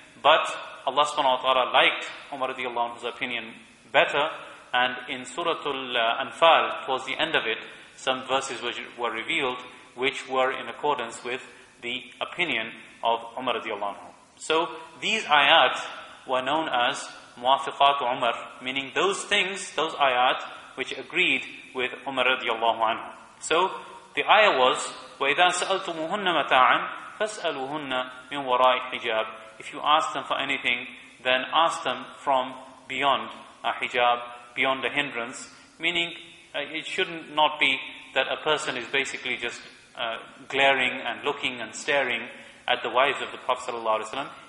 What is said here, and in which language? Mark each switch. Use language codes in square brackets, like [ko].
[en] But Allah subhanahu wa ta'ala liked Umar radiallahu anhu's opinion better, and in Suratul Anfal, towards the end of it, some verses which were revealed which were in accordance with the opinion of Umar radiallahu anhu. So these ayat were known as Muwafiqat Umar, meaning those things, those ayat, which agreed with Umar radiallahu anhu. So the ayah was, [ar] وَإِذَا سَأَلْتُمُهُنَّ مَتَاعًا فَاسْأَلُوهُنَّ مِنْ وَرَاءِ حِجَابٍ. [en] If you ask them for anything, then ask them from beyond a hijab, beyond a hindrance, meaning it should not be that a person is basically just glaring and looking and staring at the wives of the Prophet ﷺ.